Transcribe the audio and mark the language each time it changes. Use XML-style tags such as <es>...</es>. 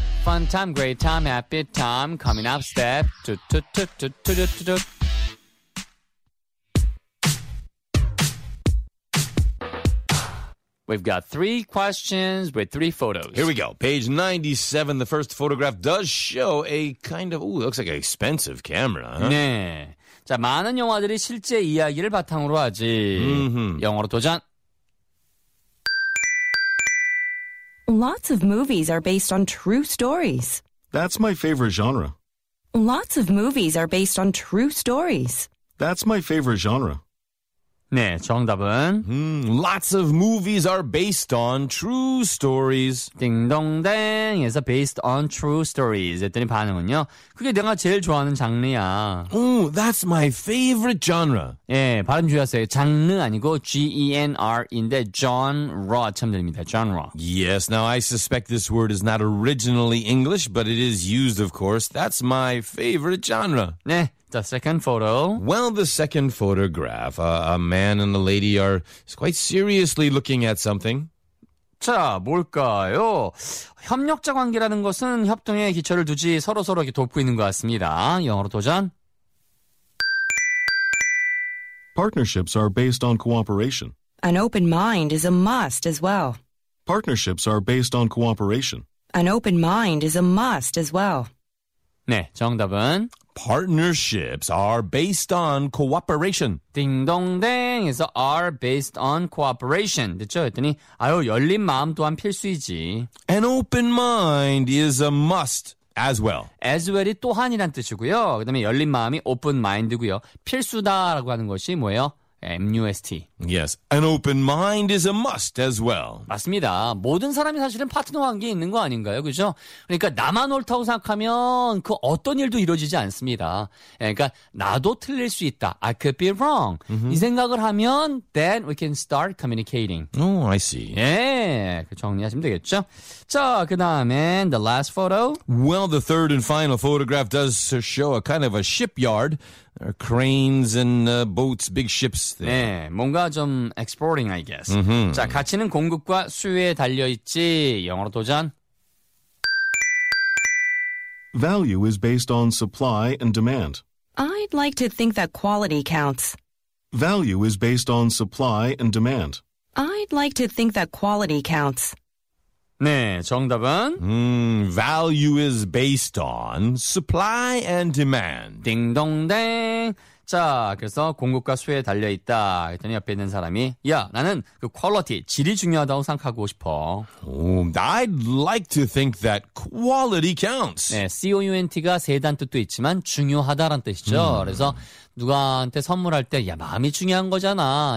<en>Fun time, great time, happy time. Coming up, step two, two, two, two, two, two, two, two. We've got three questions with three photos. Here we go. Page 97, the first photograph does show a kind of, ooh, looks like an expensive camera. Huh?</en> <ko>네. 자, 많은 영화들이 실제 이야기를 바탕으로 하지. Mm-hmm. 영어로 도전.</ko> <en>Lots of movies are based on true stories. That's my favorite genre. Lots of movies are based on true stories. That's my favorite genre.</en> <ko>네, 정답은</ko> <en>Lots of movies are based on true stories.</en> <ko>딩동댕 해서</ko> <en>based on true stories</en> <ko>했더니 반응은요, 그게 내가 제일 좋아하는 장르야.</ko> <en>Oh, that's my favorite genre.</en> <ko>예, 네, 발음 주의하세요. 장르 아니고 G-E-N-R인데 genre 처음 들립니다.</ko> <en>Genre. Yes, now I suspect this word is not originally English, but it is used, of course. That's my favorite genre. 네, The second photo. Well, the second photograph, a man and a lady are quite seriously looking at something.</en> <ko>자, 뭘까요? 협력자 관계라는 것은 협동의 기초를 두지 서로서로 돕고 있는 것 같습니다. 영어로 도전.</ko> <en>Partnerships are based on cooperation. An open mind is a must as well. Partnerships are based on cooperation. An open mind is a must as well.</en> <ko>네, 정답은?</ko> <en>Partnerships are based on cooperation. 딩동댕 is are based on cooperation.</en> <ko>됐죠? 했더니, 아유, 열린 마음 또한 필수이지.</ko> <en>An open mind is a must. As well.</en> <ko>As well이 또한이란 뜻이고요. 그 다음에 열린 마음이 open mind고요. 필수다라고 하는 것이 뭐예요?</ko> <en>M-U-S-T. Yes. An open mind is a must as well.</en> <ko>맞습니다. 모든 사람이 사실은 파트너 관계에 있는 거 아닌가요? 그죠? 그러니까 나만 옳다고 생각하면 그 어떤 일도 이루어지지 않습니다. 그러니까 나도 틀릴 수 있다.</ko> <en>I could be wrong. Mm-hmm.</en> <ko>이 생각을 하면</ko> <en>then we can start communicating. Oh, I see.</en> <ko>예. 정리하시면 되겠죠? 자, 그 다음에</ko> <en>the last photo. Well, the third and final photograph does show a kind of a shipyard. There are cranes and boats, big ships there.</en> <ko>네, 뭔가 좀</ko> <en>exporting, I guess. Mm-hmm.</en> <ko>자, 가치는 공급과 수요에 달려있지. 영어로 도전.</ko> <en>Value is based on supply and demand. I'd like to think that quality counts. Value is based on supply and demand. I'd like to think that quality counts.</en> <ko>네, 정답은</ko> <en>value is based on supply and demand.</en> <ko>딩동댕. 자, 그래서 공급과 수요에 달려 있다. 그랬더니 옆에 있는 사람이 야, 나는 그 퀄리티, 질이 중요하다고 생각하고 싶어.</ko> <en>I'd like to think that quality counts.</en> <ko>네, count가 세단 뜻도 있지만 중요하다란 뜻이죠. 그래서 누구한테 선물할 때 야, 마음이 중요한 거잖아.</ko>